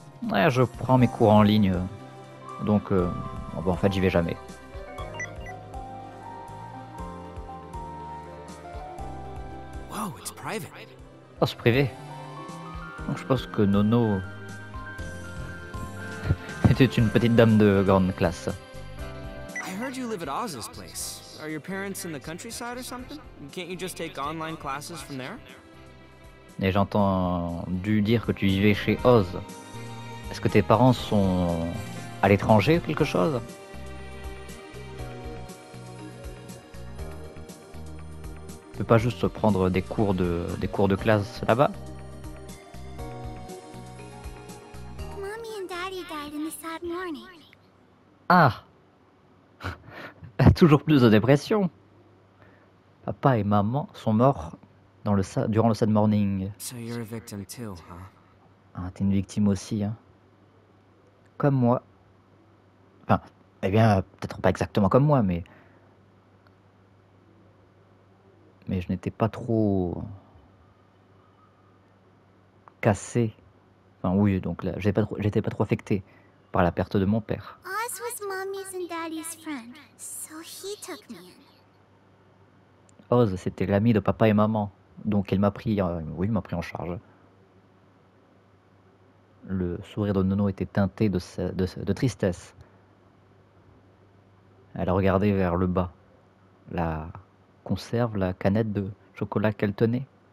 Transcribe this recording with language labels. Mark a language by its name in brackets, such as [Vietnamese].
[French] Ouais, je prends mes cours en ligne. Donc, en fait, j'y vais jamais. [English] Wow, it's private. [French] Oh, c'est privé. Donc, je pense que Nono était une petite dame de grande classe. [English] I heard you live at Oz's place. Are your parents in the countryside or something? Can't you just take online classes from there? [French] Et j'entends dû dire que tu vivais chez Oz. Est-ce que tes parents sont à l'étranger ou quelque chose? Tu peux pas juste prendre des cours de classe là-bas? [English] Mommy and Daddy died in the sad morning. Ah! [French] Toujours plus de dépression. Papa et maman sont morts durant le Sad Morning. [English] So you're a victim too, huh? [French] Ah, t'es une victime aussi, hein. Comme moi. Enfin, eh bien, peut-être pas exactement comme moi, mais... Mais je n'étais pas trop... cassé. Enfin, oui, donc là, j'étais pas trop affecté par la perte de mon père. [English] Oz was mommy's and daddy's friend, so he took me. [French] Oz, c'était l'ami de papa et maman, donc elle m'a pris, il m'a pris en charge. Le sourire de Nono était teinté de tristesse. Elle a regardé vers le bas, la conserve, la canette de chocolat qu'elle tenait.